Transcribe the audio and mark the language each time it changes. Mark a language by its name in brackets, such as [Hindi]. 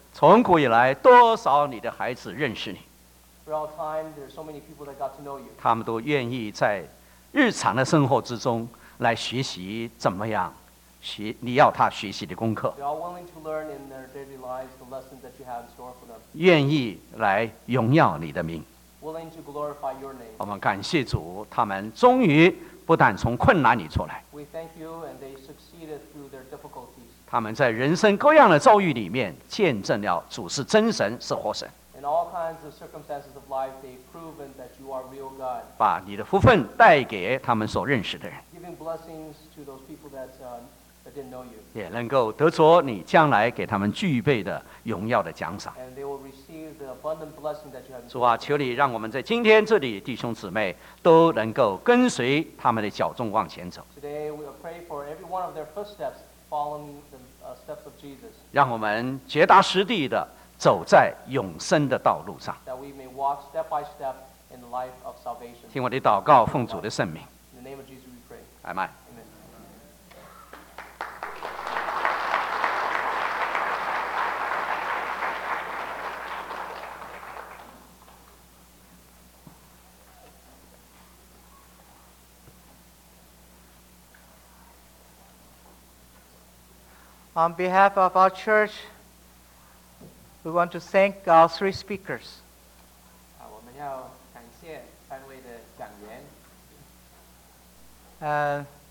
[Chinese] 从古以来，多少你的孩子认识你。 [English] For all time, there are so many people that got to know you. [Chinese] 他们都愿意在日常的生活之中来学习怎么样学你要他学习的功课。 [English] They're all willing to learn in their daily lives the lessons that you have in store for them. [Chinese] 愿意来荣耀你的名。 [English] Willing to glorify your name. [Chinese] 我们感谢主，他们终于不但从困难里出来。 [English] We thank you, and they succeeded through their difficulties. [Chinese] 他们在人生各样的遭遇里面见证了主是真神，是活神。 [English] In all kinds of circumstances of life, they've proven that you are real God. [Chinese] 把你的福分带给他们所认识的人。 [English] Giving blessings to those people that, that didn't know you. [Chinese] 也能够得着你将来给他们具备的荣耀的奖赏。 [English] And they will receive the abundant blessing that you have. [Chinese] 主啊，求你让我们在今天这里弟兄姊妹都能够跟随他们的脚踪往前走。 [English] Today we will pray for every one of their footsteps following the steps of Jesus. [Chinese] 让我们脚踏实地的走在永生的道路上。 [English] That we may walk step by step in the life of salvation. [Chinese] 听我的祷告，奉主的圣名。 [English] In the name of Jesus, we pray. Amen. Amen. On behalf of our church, we want to thank our three speakers. [Chinese] 我们要感谢三位的讲员。